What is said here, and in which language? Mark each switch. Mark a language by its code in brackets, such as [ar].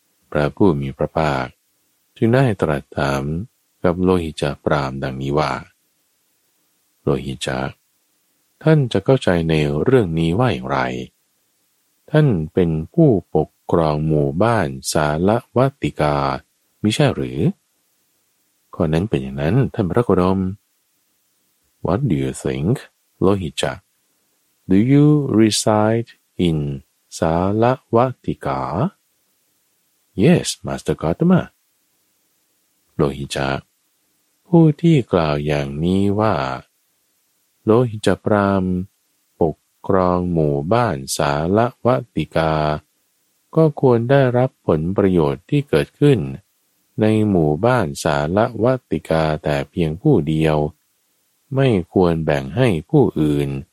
[th] พระผู้มีพระภาคจึงได้ตรัสถามกับโลหิตจักปรามดังนี้ว่าโลหิตจักท่านจะเข้าใจในเรื่องนี้ว่าอย่างไรท่านเป็นผู้ปกครองหมู่บ้านสาละวัติกามิใช่หรือข้อนั้นเป็นอย่างนั้นท่านพระโคดม [en] What do you think, Lohicca? Do you reside in สาละวัติกา Yes, Master Gautama. [th] โลหิตจักผู้ที่กล่าวอย่างนี้ว่าโลหิตจักปรามปกครองหมู่บ้านสาละวัติกาก็ควรได้รับผลประโยชน์ที่เกิดขึ้นในหมู่บ้านสาละวัติกาแต่เพียงผู้เดียวไม่ควรแบ่งให้ผู้อื่น